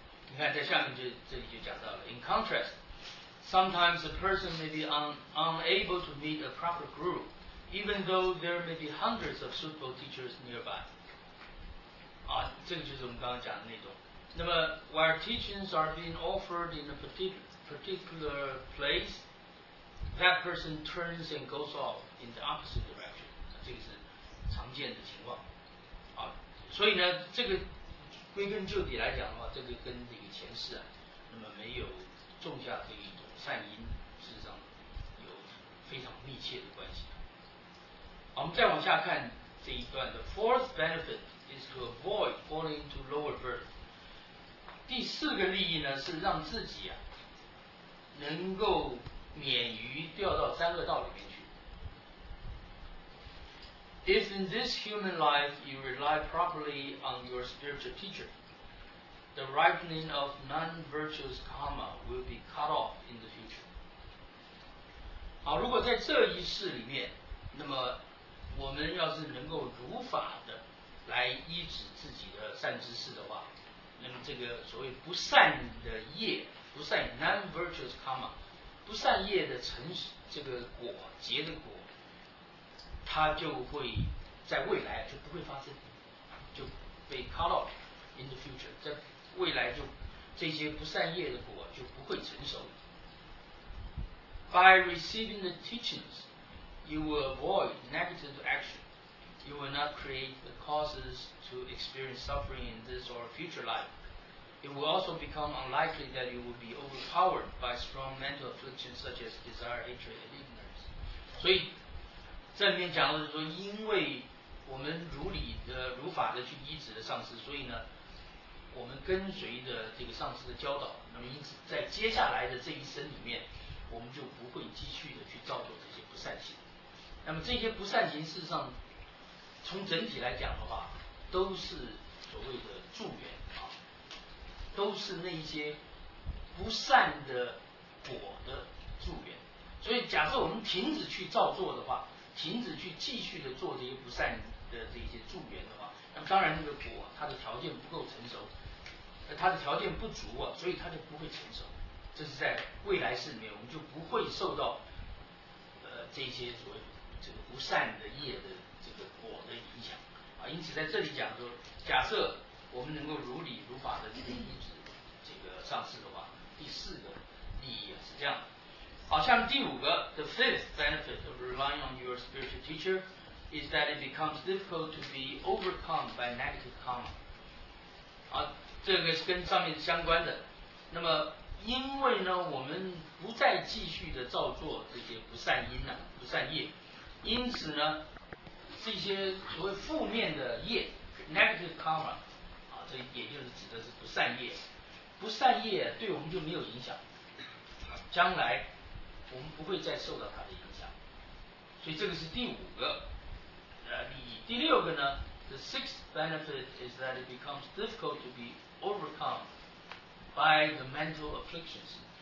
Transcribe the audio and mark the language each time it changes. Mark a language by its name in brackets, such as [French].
[Chinese] 你看在下面就这里就讲到了 [English] ，in contrast, sometimes a person may be unable to meet a proper group, even though there may be hundreds of suitable teachers nearby. [Chinese] 啊，这个就是我们刚刚讲的那种。那么 [English] ，while teachings are being offered in a particular place, that person turns and goes off in the opposite direction. [Chinese] 这个是常见的情况。啊，所以呢，这个归根究底来讲的话，这个跟这个前世啊，那么没有种下这一种善因，事实上有非常密切的关系。我们再往下看这一段的 [English] fourth benefit is to avoid falling to lower birth。 [Chinese] 第四个利益呢，是让自己啊能够免于掉到三恶道里面去。 [English] If in this human life you rely properly on your spiritual teacher, the ripening of non-virtuous karma will be cut off in the future. [Chinese] 好，如果在这一世里面，那么我们要是能够如法的来医治自己的善知识的话，那么这个所谓不善的业，不善 [English] non-virtuous karma, [Chinese] 不善业的成这个果结的果，它就会在未来就不会发生，就被 [English] cut off in the future, [Chinese] 在未来就这些不善业的果就不会成熟。 [English] By receiving the teachings, you will avoid negative action. You will not create the causes to experience suffering in this or future life. It will also become unlikely that you will be overpowered by strong mental afflictions such as desire, hatred, and ignorance. [Chinese] 所以这里面讲的是说，因为我们如理的、如法的去医治的上师，所以呢，我们跟随着这个上师的教导，那么因此在接下来的这一生里面，我们就不会继续的去造作这些不善行。那么这些不善行，事实上从整体来讲的话，都是所谓的助缘啊，都是那一些不善的果的助缘。所以，假设我们停止去造作的话，停止去继续的做这些不善的这些助缘的话，那么当然那个果它的条件不够成熟，它的条件不足啊，所以它就不会成熟。这是在未来世里面，我们就不会受到这些所谓这个不善的业的这个果的影响啊。因此在这里讲说，假设我们能够如理如法的去医治这个上师的话，第四个利益啊是这样的。好，下面第五个 [English] ，the fifth benefit of relying on your spiritual teacher is that it becomes difficult to be overcome by negative karma。 [Chinese] 啊，这个是跟上面相关的。那么，因为呢，我们不再继续的造作这些不善因呢、不善业，因此呢，这些所谓负面的业 ， [English] negative karma， [Chinese] 啊，这也就是指的是不善业，不善业对我们就没有影响，将来我们不会再受到它的影响。所以这个是第五个利益。第六个呢 [English] ，the sixth benefit is that it becomes difficult to be overcome by the mental afflictions。